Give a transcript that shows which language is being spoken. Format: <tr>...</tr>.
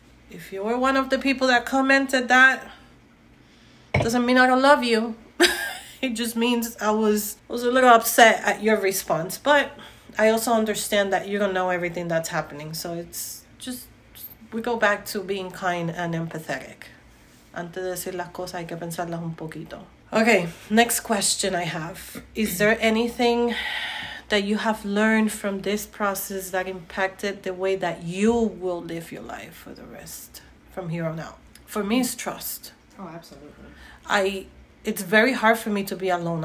<en>If you were one of the people that commented that, doesn't mean I don't love you. It just means I was a little upset at your response. But I also understand that you don't know everything that's happening. So it's just, we go back to being kind and empathetic.</en> <es>Antes de decir las cosas, hay que pensarlas un poquito.</es> <en>Okay, next question I have. Is there anything that you have learned from this process that impacted the way that you will live your life for the rest from here on out? For me, it's trust. Oh, absolutely. It's very hard for me to be alone.</en>